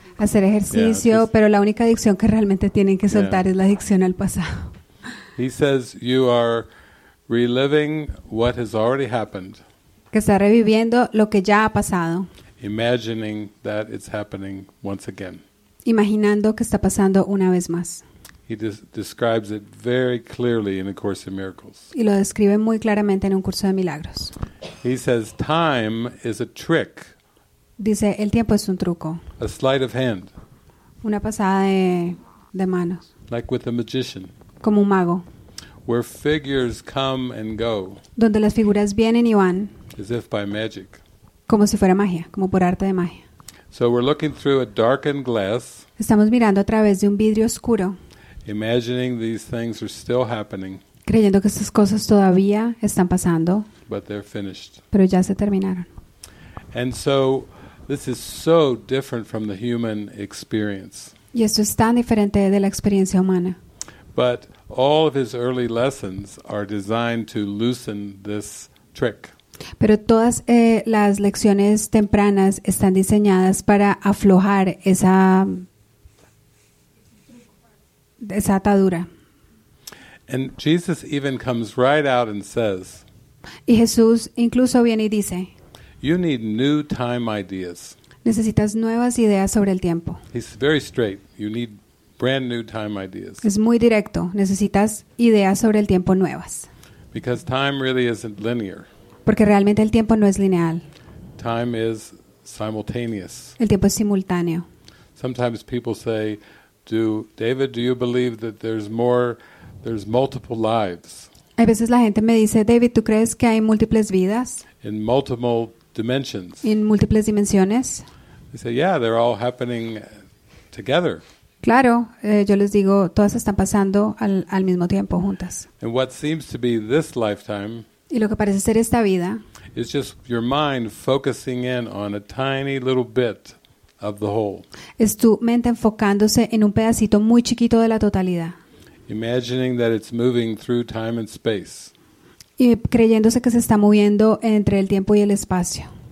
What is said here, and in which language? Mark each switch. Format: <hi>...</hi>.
<es>Hacer ejercicio, yeah, pero la única adicción que realmente tienen que soltar es la adicción al pasado.</es> <en>He says you are reliving what has already happened.</en> <es>Que está reviviendo lo que ya ha pasado.</es> <en>Imagining that it's happening once again.</en> <es>Imaginando que está pasando una vez más.</es> <en>He describes it very clearly in A Course in Miracles.</en> <es>Y lo describe muy claramente en Un Curso de Milagros.</es> <en>He says time is a trick.</en> <es>Dice, el tiempo es un truco.</es> <en>A sleight of hand.</en> <es>Una pasada de manos.</es> <en>Like with a magician.</en> <es>Como un mago.</es> <en>Where figures come and go.</en> <es>Donde las figuras vienen y van.</es> <en>As if by magic.</en> <es>Como si fuera magia, como por arte de magia.</es> <en>So we're looking through a darkened glass.</en> <es>Estamos mirando a través de un vidrio oscuro.</es> <en>Imagining these things are still happening.</en> <es>Creyendo que estas cosas todavía están pasando.</es> <en>But they're finished.</en> <es>Pero ya se terminaron.</es> <en>And so this is so different from the human experience.</en> <es>Y esto es tan diferente de la experiencia humana.</es> <en>But all of his early lessons are designed to loosen this trick.</en> <es>Pero todas las lecciones tempranas están diseñadas para aflojar esa atadura.</es> <en>And Jesus even comes right out and says.</en> <es>Y Jesús incluso viene y dice.</es> <en>You need new time ideas.</en> <es>Necesitas nuevas ideas sobre el tiempo.</es> <en>He's very straight. You need brand new time ideas.</en> <es>Es muy directo. Necesitas ideas sobre el tiempo nuevas.</es> <en>Because time really isn't linear.</en> <es>Porque realmente el tiempo no es lineal.</es> <en>Time is simultaneous.</en> <es>El tiempo es simultáneo.</es> <en>Sometimes people say, "Do you believe that there's multiple lives?"</en> <es>A veces la gente me dice, "David, ¿tú crees que hay múltiples vidas?"</es> <en>In multiple dimensions.</en> <es>En múltiples dimensiones.</es> <en>They say, yeah, they're all happening together.</en> <es>Claro, yo les digo, todas están pasando al mismo tiempo juntas.</es> <en>And what seems to be this lifetime.</en> <es>Y lo que parece ser esta vida.</es> <en>Is just your mind focusing in on a tiny little bit of the whole.</en> <es>Es tu mente enfocándose en un pedacito muy chiquito de la totalidad.</es> <en>Imagining that it's moving through time and space.</en> <es>Y creyéndose que se está moviendo entre el tiempo y el espacio.</es>